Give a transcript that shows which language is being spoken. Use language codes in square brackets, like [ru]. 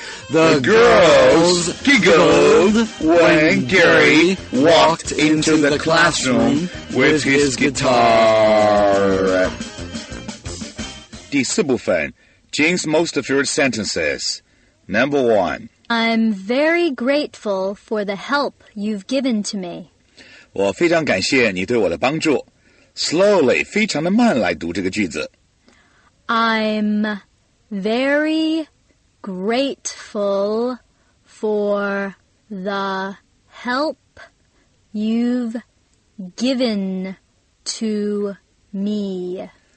[en] The girls giggled when Gary walked into the classroom with his guitar. [zh] 第四部分 [en] Jane's most favorite sentences. Number 1. I'm very grateful for the help you've given to me. [zh] 我非常感谢你对我的帮助。 [en] Slowly, [zh] 非常的慢来读这个句子。 [en] I'm very grateful for the help you've given to me.